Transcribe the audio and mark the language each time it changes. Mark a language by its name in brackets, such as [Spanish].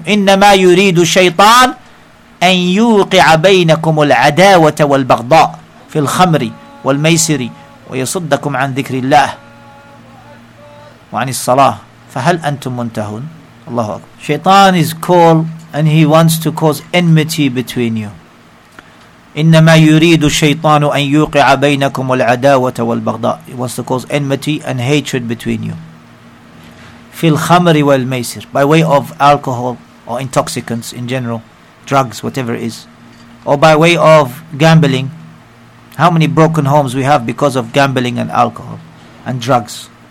[Arabic] إِنَّمَا يُرِيدُ الشَّيْطَانِ أَن يُوقِعَ بَيْنَكُمُ الْعَدَاوَةَ وَالْبَغْضَاءِ فِي الْخَمْرِ وَالْمَيْسِرِ وَيَصُدَّكُمْ عَنْ ذِكْرِ اللَّهِ وَعَنِ الصَّلَاةِ فَهَلْ أَنْتُمْ مُنْتَهُونَ الله أكبر. [English] Shaitan is called and he wants to cause enmity between you. [Arabic] إنما يريد الشيطان أن يوقع بينكم العداوة والبغضاء. [English] He wants to cause enmity and hatred between you. [Arabic] في الخمر والميسر. [English] By way of alcohol or intoxicants in general, drugs, whatever it is. Or by way of gambling. How many broken homes we have because of gambling and alcohol and drugs.